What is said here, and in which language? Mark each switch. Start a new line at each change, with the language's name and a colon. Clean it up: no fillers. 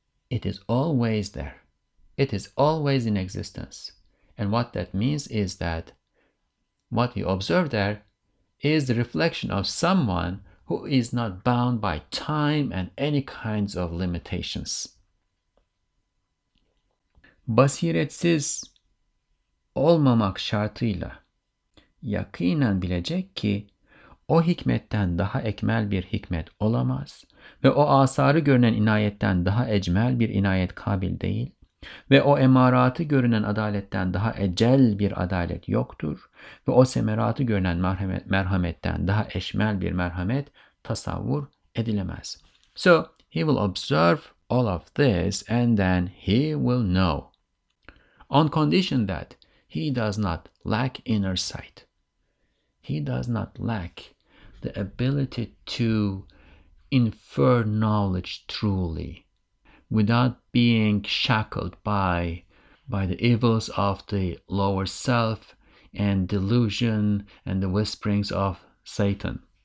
English: It is always there. It is always in existence. And what that means is that what you observe there is the reflection of someone who is not bound by time and any kinds of limitations.
Turkish: Basiretsiz olmamak şartıyla yakinen bilecek ki o hikmetten daha ekmel bir hikmet olamaz. Ve o asarı görünen inayetten daha ecmel bir inayet kabil değil. Ve o emaratı görünen adaletten daha ecel bir adalet yoktur. Ve o semeratı görünen merhametten daha eşmel bir merhamet tasavvur edilemez.
English: So he will observe all of this and then he will know. On condition that he does not lack inner sight. He does not lack the ability to infer knowledge truly, without being shackled by the evils of the lower self and delusion and the whisperings of Satan.